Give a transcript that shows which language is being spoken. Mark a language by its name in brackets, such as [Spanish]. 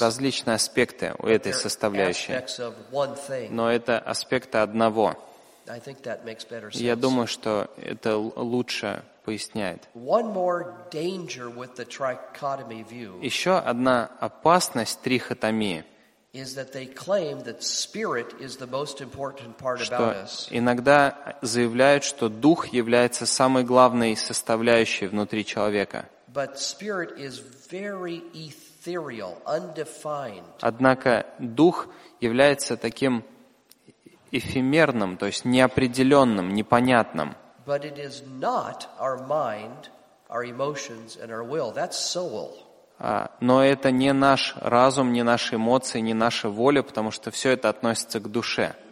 [Russian] различные аспекты у этой составляющей. [English] Aspects of one thing. [Russian] Но это аспекты одного. [English] I think that makes better sense. [Russian] Я думаю, что это лучше поясняет. [English] One more danger with the trichotomy view. [Russian] Еще одна опасность трихотомии. [English] Is that they claim that spirit is the most important part about us. [Russian] Что иногда заявляют, что дух является самой главной составляющей внутри человека. [English] But spirit is very ethereal, undefined. [Russian] Однако дух является таким эфемерным, то есть неопределенным, непонятным. [English] But it is not our mind, our emotions, and our will. That's soul. [Russian] Но это не наш разум, не наши эмоции, не наша воля, потому что все это относится к душе.